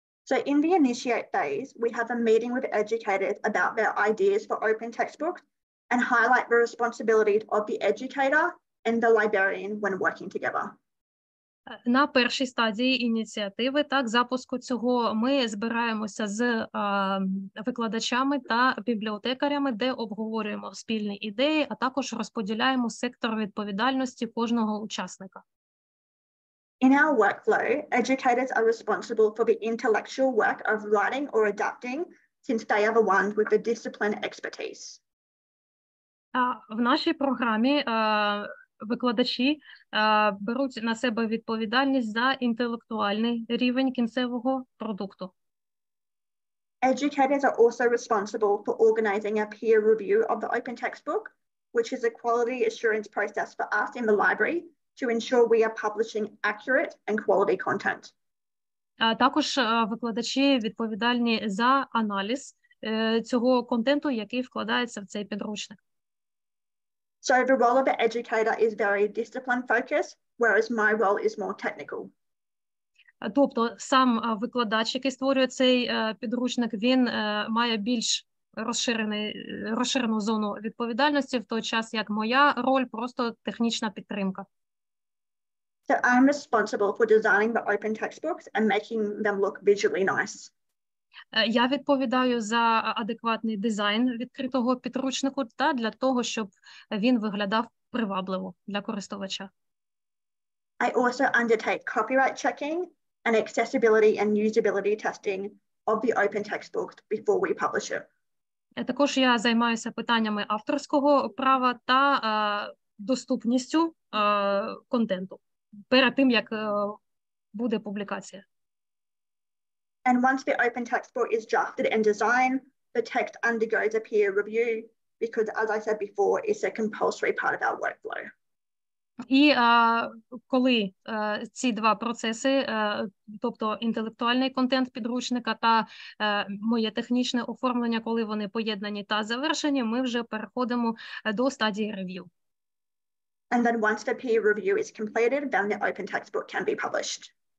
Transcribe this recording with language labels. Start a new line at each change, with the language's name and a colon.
English: So in the initiate phase, we have a meeting with educators about their ideas for open textbooks and highlight the responsibilities of the educator and the librarian when working together.
Ukrainian: На першій стадії ініціативи, так, запуску цього, ми збираємося з викладачами та бібліотекарями, де обговорюємо спільні ідеї, а також розподіляємо сектор відповідальності кожного учасника.
English: In our workflow, educators are responsible for the intellectual work of writing or adapting, since they are the ones with the discipline expertise.
Ukrainian: В нашій програмі викладачі беруть на себе відповідальність за інтелектуальний рівень кінцевого продукту.
English: Educators are also responsible for organizing a peer review of the open textbook, which is a quality assurance process for us in the library to ensure we are publishing accurate and quality content.
Ukrainian: Також викладачі відповідальні за аналіз цього контенту, який вкладається в цей підручник.
English: So the role of the educator is very discipline focused, whereas my role is more technical.
Ukrainian: Тобто сам викладач, який створює цей підручник, він має більш розширену зону відповідальності, в той час як моя роль просто технічна підтримка.
English: So I'm responsible for designing the open textbooks and making them look visually nice.
Ukrainian: Я відповідаю за адекватний дизайн відкритого підручнику та для того, щоб він виглядав привабливо для користувача.
English: I also undertake copyright checking and accessibility and usability testing of the open textbooks before we publish it.
Ukrainian: Також я займаюся питаннями авторського права та доступністю контенту перед тим, як буде публікація.
English: And once the open textbook is drafted and designed, the text undergoes a peer review because, as I said before, it's a compulsory part of our workflow.
Ukrainian: І коли ці 2 процеси, тобто інтелектуальний контент підручника та моє технічне оформлення, коли вони поєднані та завершені, ми вже переходимо до стадії рев'ю.
English: And then once the peer review is completed, then the open textbook can be published.